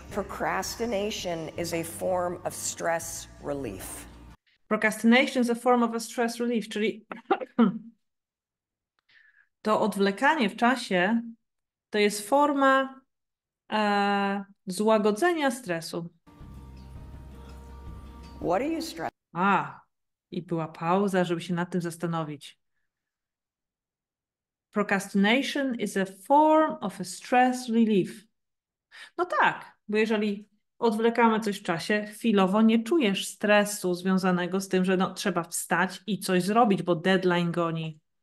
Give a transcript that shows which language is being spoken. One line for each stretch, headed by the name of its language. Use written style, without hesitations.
English: Procrastination is a form of stress relief. Procrastination is a form of a stress relief,
Polish: czyli to odwlekanie w czasie to jest forma złagodzenia stresu.
English: What are you stress?
Polish: A, i była pauza, żeby się nad tym zastanowić.
English: Procrastination is a form of a stress relief.
Polish: No tak, bo jeżeli odwlekamy coś w czasie, chwilowo nie czujesz stresu związanego z tym, że no, trzeba wstać i coś zrobić, bo deadline goni.